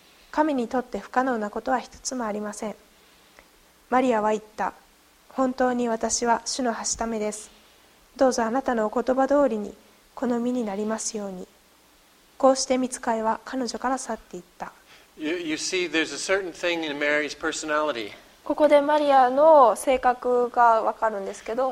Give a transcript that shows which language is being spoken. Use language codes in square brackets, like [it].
[ja] 神にとって不可能なことは一つもありません。マリアは言った。本当に私は主のはしためです。どうぞあなたのお言葉通りに、この身になりますように。こうして御使いは彼女から去っていった。 [en] You see, there's a certain thing in Mary's personality. [ja] ここでマリアの性格がわかるんですけど。